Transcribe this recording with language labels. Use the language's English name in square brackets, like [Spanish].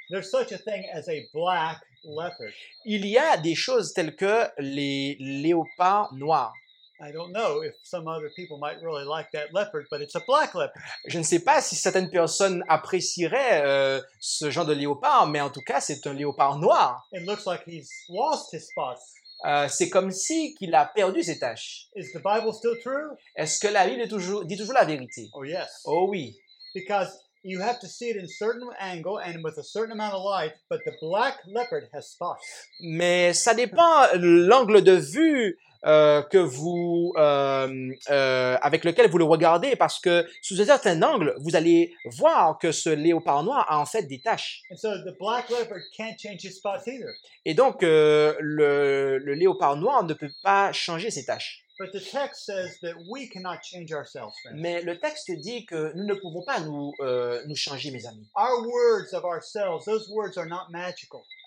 [English] there's such a thing as a black leopard. [French] Il y a des choses telles que les léopards noirs. [English] I don't know if some other people might really like that leopard, but it's a black leopard. [French] Je ne sais pas si certaines personnes apprécieraient ce genre de léopard, mais en tout cas, c'est un léopard noir. [English] It looks like he's lost his spots. [French] C'est comme si qu'il a perdu ses taches. [English] Is the Bible still true? [French] Est-ce que la Bible est toujours, dit toujours la vérité? [English] Oh yes. [French] Oh oui. [English] Because you have to see it in a certain angle and with a certain amount of light, but the black leopard has spots. [French] Mais ça dépend l'angle de vue. Que vous, avec lequel vous le regardez, parce que sous un certain angle, vous allez voir que ce léopard noir a en fait des taches. [English] And so the black leopard can't change his spots either. [French] Et donc, le léopard noir ne peut pas changer ses taches. [English] But the text says that we cannot change ourselves, friends. [French] Mais le texte dit que nous ne pouvons pas nous changer, mes amis. [English] Our words of ourselves, those words are not magical.